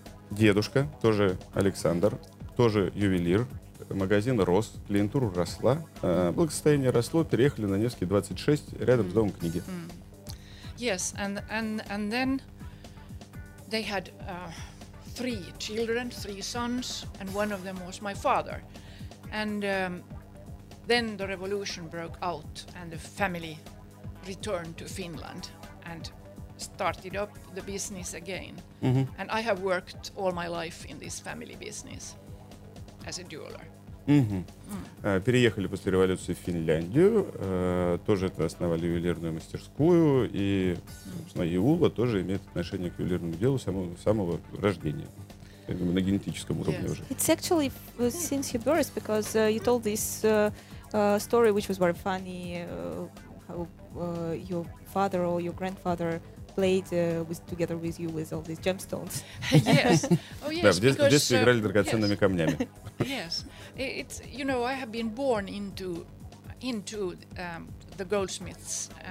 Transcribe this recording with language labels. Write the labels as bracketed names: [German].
[Russian] Дедушка, тоже Александр, тоже ювелир. Магазин рос, клиентура росла, благосостояние росло, переехали на Невский 26 рядом с Домом книги. [English] Yes, and then they had three children, three sons, and one of them was my father. And then the revolution broke out, and the family returned to Finland and started up the business again. Mm-hmm. And I have worked all my life in this family business as a jeweler. Угу. [Russian] Переехали после революции в Финляндию, тоже это основали ювелирную мастерскую, и, собственно, Иула тоже имеет отношение к ювелирному делу самого рождения, на генетическом уровне уже. [English] It's actually since your birth, because you told this story, which was very funny, how your father or your grandfather played with together with you with all these gemstones. Yes. Oh yes. [Russian] Да, в детстве играли драгоценными камнями. [English] Yes. It's, you know, I have been born into the goldsmiths.